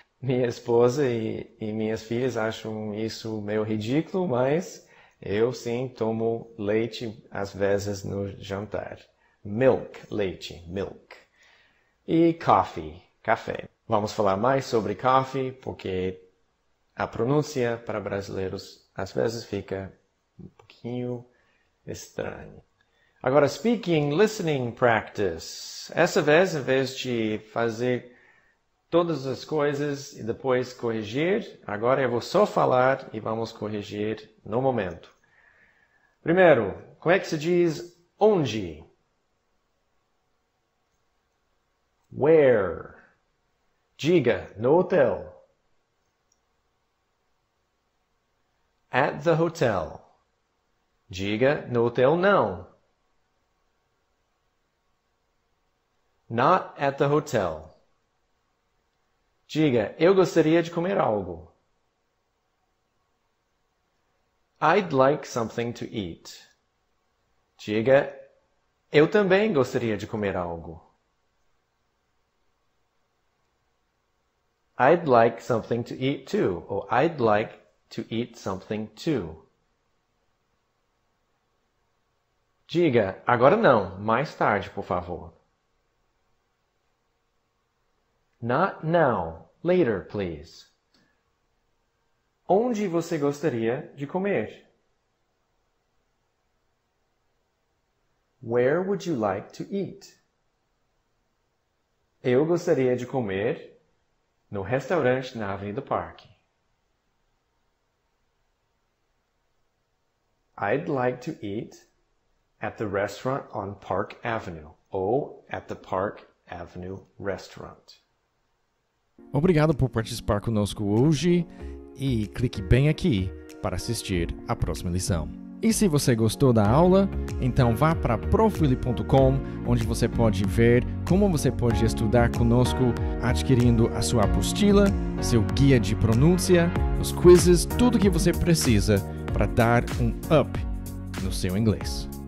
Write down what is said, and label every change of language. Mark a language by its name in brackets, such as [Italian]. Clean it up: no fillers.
[Portuguese] Minha esposa e minhas filhas acham isso meio ridículo, mas eu sim tomo leite às vezes no jantar. Milk, leite, milk. E café. Vamos falar mais sobre café porque a pronúncia para brasileiros às vezes fica um pouquinho estranha. Agora, [English] speaking, listening, practice. [Portuguese] Essa vez, em vez de fazer todas as coisas e depois corrigir, agora eu vou só falar e vamos corrigir no momento. Primeiro, como é que se diz onde? [English] Where? [Portuguese] Diga, no hotel. [English] At the hotel. [Portuguese] Diga, no hotel não. [English] Not at the hotel. [Portuguese] Diga, eu gostaria de comer algo. [English] I'd like something to eat. [Portuguese] Diga, eu também gostaria de comer algo. [English] I'd like something to eat too. [Portuguese] Ou [English] I'd like to eat something too. [Portuguese] Diga, agora não, mais tarde, por favor. [English] Not now, later, please. [Portuguese] Onde você gostaria de comer? [English] Where would you like to eat? [Portuguese] Eu gostaria de comer no restaurante na Avenida Park. [English] I'd like to eat at the restaurant on Park Avenue. [Portuguese] Ou [English] at the Park Avenue Restaurant. [Portuguese] Obrigado por participar conosco hoje e clique bem aqui para assistir à próxima lição. E se você gostou da aula, então vá para profwilly.com, onde você pode ver como você pode estudar conosco, adquirindo a sua apostila, seu guia de pronúncia, os quizzes, tudo o que você precisa para dar um up no seu inglês.